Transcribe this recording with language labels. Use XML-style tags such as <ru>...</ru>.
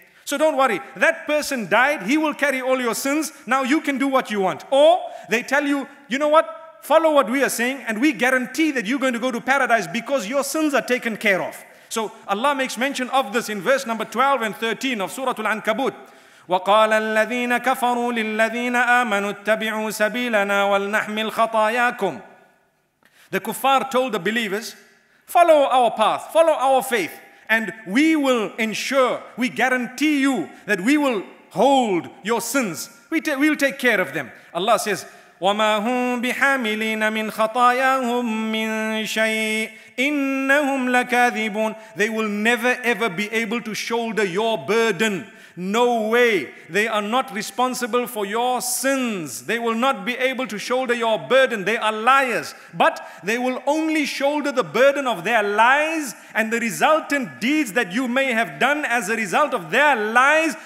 <en>So don't worry, that person died, he will carry all your sins. Now you can do what you want. Or they tell you, you know what? Follow what we are saying and we guarantee that you're going to go to paradise because your sins are taken care of. So Allah makes mention of this in verse number 12 and 13 of Surah Al-Ankabut.</en> <ar>وقال الذين كفروا للذين آمنوا اتبعوا سبيلنا ولنحمل خطاياكم.</ar> <en>The kuffar told the believers, follow our path, follow our faith, and we will ensure, we guarantee you that we will hold your sins. We'll take care of them. Allah says,</en> <ar>وما هم بحاملين من خطاياهم من شيء إنهم لكاذبون.</ar> <en>They will never ever be able to shoulder your burden. No way. They are not responsible for your sins. They will not be able to shoulder your burden. They are liars. But they will only shoulder the burden of their lies and the resultant deeds that you may have done as a result of their lies.</en>